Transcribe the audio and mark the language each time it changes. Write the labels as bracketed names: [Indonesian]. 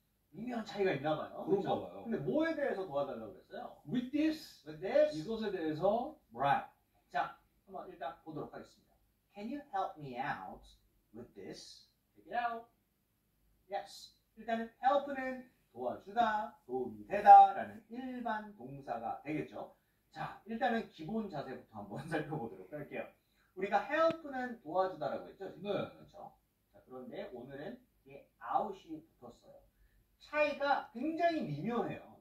[Korean] 미묘한 차이가 있나 봐요. 그런가 그렇죠? 봐요. 근데 뭐에 대해서 도와달라고 그랬어요? [English] With this, with this. [Korean] 이것에 대해서 [English] right. [Korean] 자, 한번 일단 보도록 하겠습니다. [English] Can you help me out with this? Take it out. Yes. [Korean] 일단은 help는 도와주다, 도움이 되다라는 일반 동사가 되겠죠. 자, 일단은 기본 자세부터 한번 살펴보도록 할게요. 우리가 help는 도와주다라고 했죠? 네. 그렇죠. 자, 그런데 오늘은 out이 붙었어요. 차이가 굉장히 미묘해요.